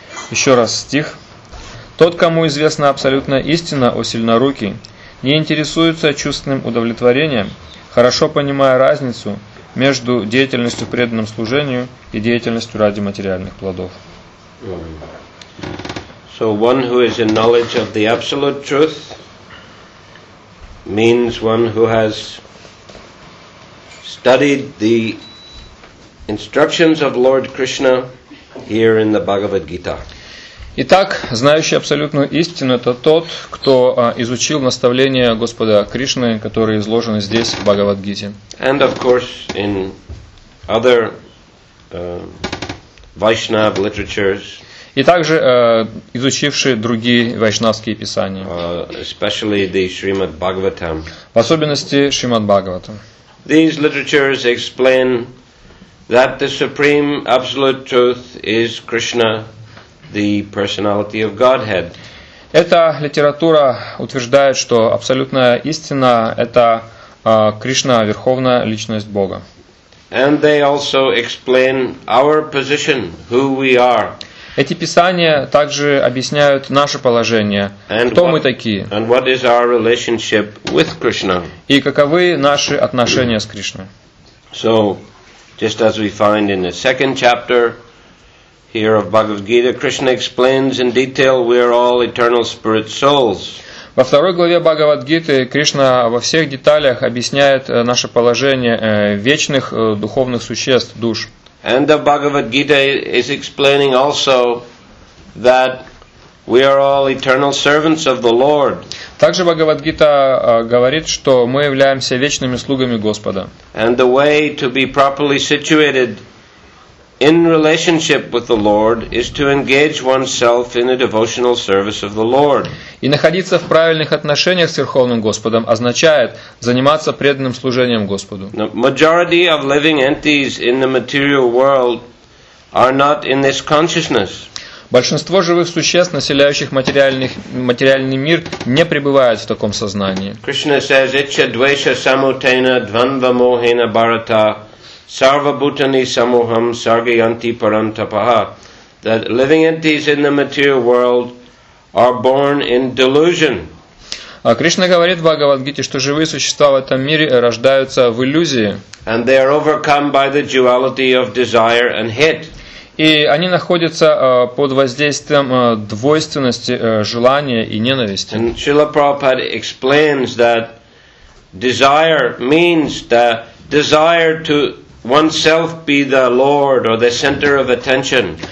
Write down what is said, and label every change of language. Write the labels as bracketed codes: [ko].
[ru] Еще раз стих. Тот, кому известна абсолютная истина о сильноруке, не интересуется чувственным удовлетворением, хорошо понимая разницу между деятельностью преданным служению и деятельностью ради материальных плодов. [en] So one who is in knowledge of the absolute truth means one who has studied the instructions of Lord Krishna here in the Bhagavad Gita. [ru] Итак, знающий абсолютную истину — это тот, кто изучил наставления Господа Кришны, которые изложены здесь в Бхагавад-гите. [en] And of course in other Vaishnava literatures. [ru] И также изучивший другие вайшнавские писания. [en] Especially the Srimad Bhagavatam. [ru] В особенности Шримад Бхагаватам. [en] These literatures explain that the supreme absolute truth is Krishna, the personality of Godhead. [ru] Эта литература утверждает, что абсолютная истина — это Кришна, верховная личность Бога. [en] And they also explain our position, who we are. [ru] Эти писания также объясняют наше положение, кто мы такие. [en] And what is our relationship with Krishna? [ru] И каковы наши отношения с Кришной. [en] So, just as we find in the second chapter here of Bhagavad Gita, Krishna explains in detail we are all eternal spirit souls. [ru] Во второй главе Бхагавад-гиты Кришна во всех деталях объясняет наше положение вечных духовных существ, душ. [en] And the Bhagavad Gita is explaining also that we are all eternal servants of the Lord. [ru] Также Бхагавад-гита говорит, что мы являемся вечными слугами Господа. [en] And the way to be properly situated in relationship with the Lord is to engage oneself in a devotional service of the Lord. [ru] И находиться в правильных отношениях с Верховным Господом означает заниматься преданным служением Господу. [en] The majority of living entities in the material world are not in this consciousness. [ru] Большинство живых существ, населяющих материальный мир, не пребывают в таком сознании. [en] Krishna says, [sa] "Iccha dvesha samutena dvandva mohena bharata sarvabhutani samuham sargayanti parantapaha." [en] That living entities in the material world are born in delusion. [ru] Кришна говорит в Бхагавад-гите, что живые существа в этом мире рождаются в иллюзии. [en] And they are overcome by the duality of desire and hate. [ru] И они находятся под воздействием двойственности желания и ненависти. [en] And Srila Prabhupada explains that desire means the desire to oneself be the Lord or the center of attention.